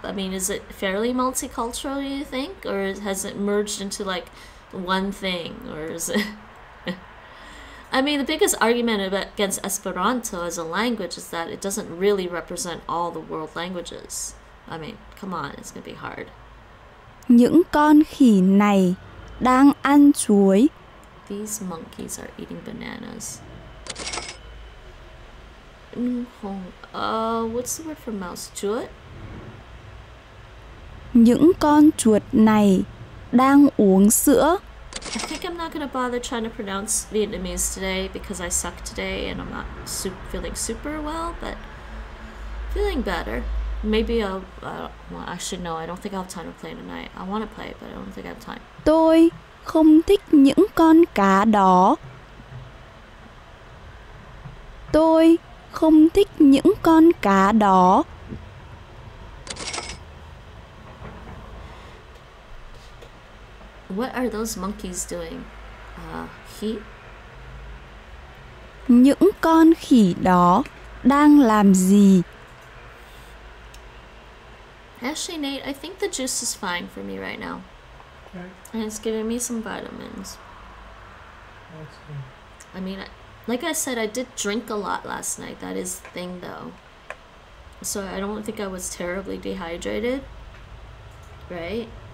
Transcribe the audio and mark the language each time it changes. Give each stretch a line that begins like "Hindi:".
English: I mean, is it fairly multicultural, you think? Or has it merged into, like, one thing? Or is it... I mean, the biggest argument against Esperanto as a language is that it doesn't really represent all the world languages. I mean, come on, it's gonna be hard.
Vietnamese: Những con khỉ này đang ăn chuối.
English: These monkeys are eating bananas. What's the word for mouse?
Vietnamese: Chuột? Những con chuột này đang uống sữa.
English: I think I'm not going to bother trying to pronounce Vietnamese today because I suck today and I'm not feeling super well, but feeling better. Maybe I don't think I'll have time to play tonight. I want to play, but I don't think I have time.
Vietnamese: Tôi không thích những con cá đó. Tôi không thích những con cá đó.
English: What are those monkeys doing?
Vietnamese: Khỉ? Những con khỉ đó đang làm gì?
English: Actually, Nate, I think the juice is fine for me right now. Okay. And it's giving me some vitamins. That's good. I mean, like I said, I did drink a lot last night. That is the thing, though. So I don't think I was terribly dehydrated. Right?